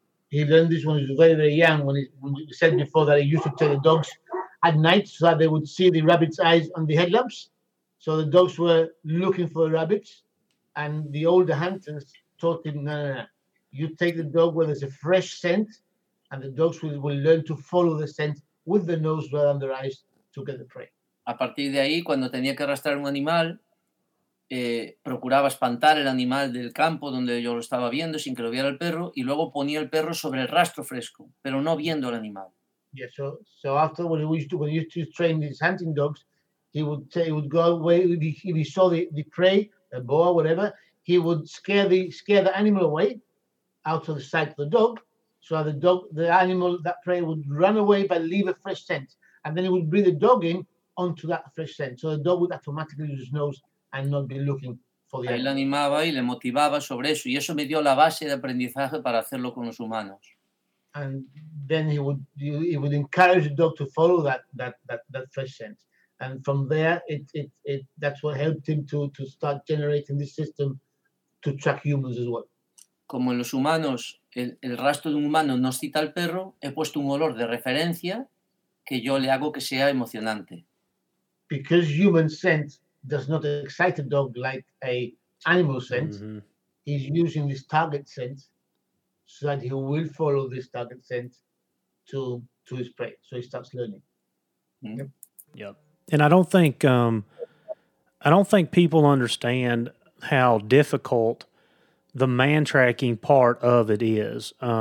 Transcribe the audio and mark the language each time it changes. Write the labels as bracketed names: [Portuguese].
[English] He learned this when he was very, very young, when he said before that he used to tell the dogs at night so that they would see the rabbit's eyes on the headlamps. So the dogs were looking for the rabbits. And the older hunters taught him, no. You take the dog where there's a fresh scent and the dogs will learn to follow the scent with the nose rather than their eyes to get the prey. [Spanish] A partir de ahí, cuando tenía que arrastrar un animal, procuraba espantar el animal del campo donde yo lo estaba viendo sin que lo viera el perro y luego ponía el perro sobre el rastro fresco, pero no viendo el animal. [English] Yeah, so after when he used to train these hunting dogs, he would go away if he saw the prey, a boar, whatever, he would scare the animal away out of the sight of the dog. So the animal, that prey would run away but leave a fresh scent. And then he would bring the dog in onto that fresh scent. So the dog would automatically use his nose and not be looking for the animal. [Spanish] Ahí le animaba y le motivaba sobre eso. Y eso me dio la base de aprendizaje para hacerlo con los humanos. [English] And then he would encourage the dog to follow that fresh scent. And from there, it that's what helped him to start generating this system to track humans as well. Como en los humanos, el rastro de un humano no cita al perro, he puesto un olor de referencia que yo le hago que sea emocionante. Because human scent does not excite a dog like a animal scent, he's using this target scent so that he will follow this target scent to his prey. So he starts learning. Mm-hmm. Yep. And I don't think people understand how difficult the man tracking part of it is.